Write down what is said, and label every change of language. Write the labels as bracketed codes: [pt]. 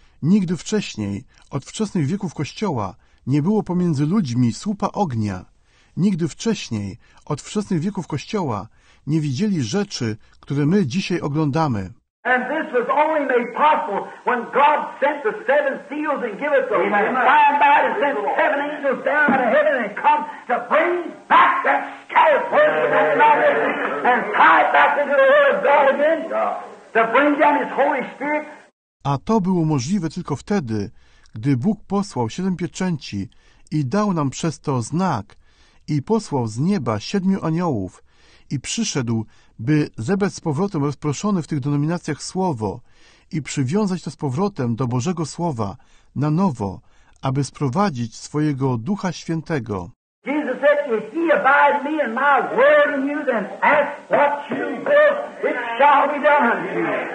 [pl] Nigdy wcześniej, od wczesnych wieków Kościoła, nie było pomiędzy ludźmi słupa ognia. Nigdy wcześniej, od wczesnych wieków Kościoła, nie widzieli rzeczy, które my dzisiaj oglądamy. [en] And this was only made possible when God sent the seven seals and give us the sign by to send seven angels down out of heaven and come to bring back that scattered person of that knowledge and tie it back into the Word of God again, to bring down His Holy Spirit. [pl] A to było możliwe tylko wtedy, gdy Bóg posłał siedem pieczęci i dał nam przez to znak i posłał z nieba siedmiu aniołów i przyszedł, by zebrać z powrotem rozproszone w tych denominacjach słowo i przywiązać to z powrotem do Bożego Słowa na nowo, aby sprowadzić swojego Ducha Świętego. [en] Jesus said, if ye abide me and my word in you, then ask what you will, it shall be done unto you.